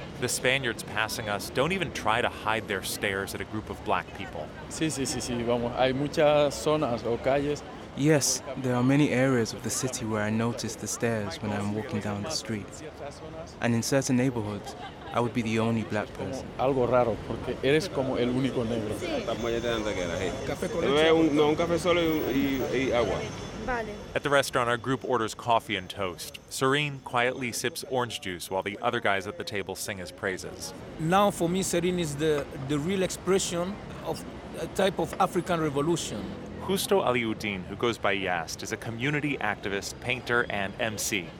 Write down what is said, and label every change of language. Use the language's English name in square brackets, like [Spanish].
[English] The Spaniards passing us don't even try to hide their stares at a group of black people. [Spanish] Sí, vamos. Hay muchas zonas o calles. [English] Yes, there are many areas of the city where I notice the stares when I am walking down the street. And in certain neighborhoods, I would be the only black person. [Spanish] Algo raro, porque eres como el único negro. No, un café solo y agua. [English] At the restaurant, our group orders coffee and toast. Serene quietly sips orange juice while the other guys at the table sing his praises. Now for me, Serene is the real expression of a type of African revolution. Justo Aliuddin, who goes by Yast, is a community activist, painter, and MC.